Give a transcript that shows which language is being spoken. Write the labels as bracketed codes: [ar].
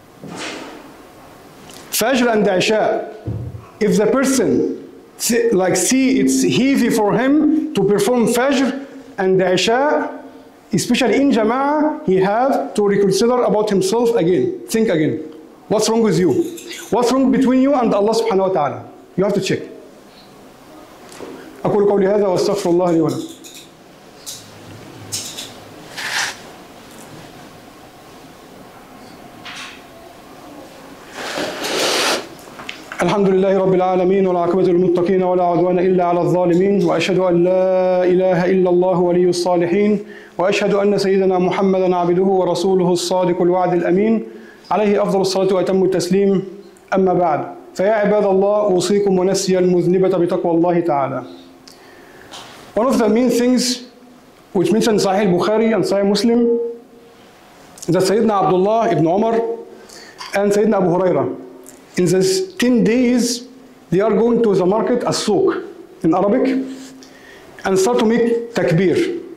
[en] Fajr and Isha. If the person see it's heavy for him to perform Fajr and Isha, especially in Jama'ah, he has to reconsider about himself again. Think again. What's wrong with you? What's wrong between you and Allah subhanahu wa ta'ala? You have to check. [ar] أقول قولي هذا وأستغفر الله لي ولكم. الحمد لله رب العالمين والعاقبة للمتقين ولا عدوان إلا على الظالمين وأشهد أن لا إله إلا الله ولي الصالحين وأشهد أن سيدنا محمدا عبده ورسوله الصادق الوعد الأمين عليه أفضل الصلاة وأتم التسليم. أما بعد، فيا عباد الله أوصيكم ونفسي المذنبة بتقوى الله تعالى. [en] One of the main things which mentioned Sahih Bukhari and Sahih Muslim that Sayyidina Abdullah ibn Umar and Sayyidina Abu Huraira in these 10 days they are going to the market as-suq in Arabic and start to make takbir.